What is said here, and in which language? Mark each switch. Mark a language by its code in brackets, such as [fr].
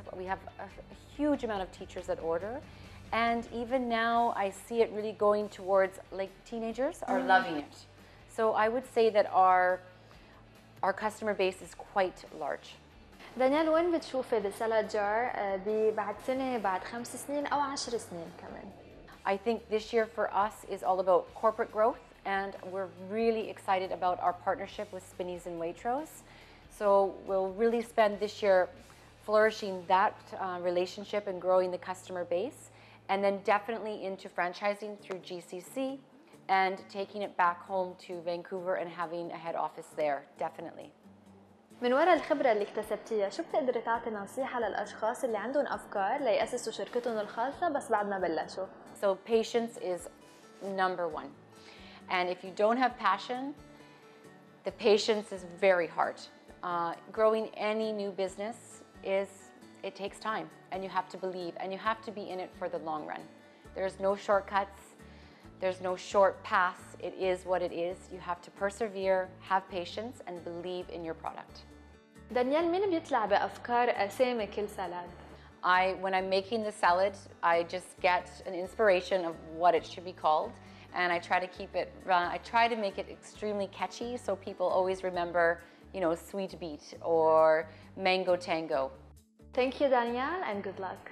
[en] We have a huge amount of teachers that order. And even now, I see it really going towards, like, teenagers are loving it. So I would say that our customer base is quite large. [ar] دانيال, وين بتشوفي the salad jar بعد سنة, بعد 5 سنين, أو 10 سنين كمان؟ [en] I think this year for us is all about corporate growth, and we're really excited about our partnership with Spinneys and Waitrose. So we'll really spend this year flourishing that relationship and growing the customer base, and then definitely into franchising through GCC and taking it back home to Vancouver and having a head office there, definitely. [ar] من وراء الخبرة اللي اكتسبتيها, شو بتقدر تعطي نصيحة للأشخاص اللي عندهم أفكار ليأسسوا شركتهم الخاصة بس بعد ما بلشوا؟ [en] So patience is number one. And if you don't have passion, the patience is very hard. Growing any new business, it takes time, and you have to believe, and you have to be in it for the long run. There's no shortcuts. There's no short path. It is what it is. You have to persevere, have patience, and believe in your product. [ar] دانيال, مين بيطلع بأفكار أسامي كل سلاد؟ [en] When I'm making the salad, I just get an inspiration of what it should be called, and I try to keep it. I try to make it extremely catchy, so people always remember, you know, sweet beet or mango tango. Thank you, Danielle, and good luck.